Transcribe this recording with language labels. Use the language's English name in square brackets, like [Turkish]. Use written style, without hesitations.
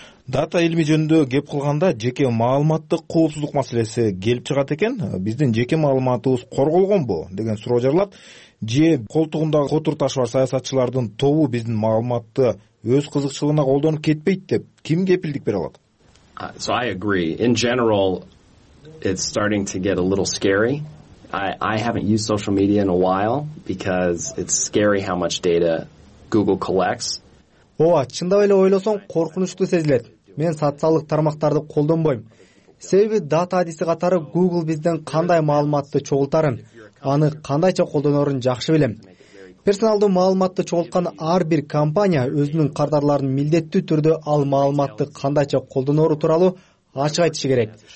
[Kyrgyz] Дата илими жөнүндө кеп кылганда жеке маалыматтык коопсуздук маселеси келип чыгат экен. Биздин жеке маалыматыбыз корголгонбу деген суроо жарылат. Же колтугундагы котур таш бар саясатчылардын тобу биздин маалыматты өз кызыкчылыгына колдонуп кетпейт деп ким кепилдик бере алат? [English] So I agree. In general, it's starting to get a little scary. I haven't used social media in a while because it's scary how much data Google collects. [Kyrgyz] Ооба, чындап эле ойлосоң коркунучтуу сезилет. Мен социалдык тармактарды колдонбойм. Себеби дата адиси катары Google бизден кандай маалыматты чогултарын, аны кандайча колдонорун жакшы билем. Персоналдуу маалыматты чогулткан ар бир компания өзүнүн кардарларын милдеттүү түрдө ал маалыматты кандайча колдонору тууралуу ачык айтышы керек.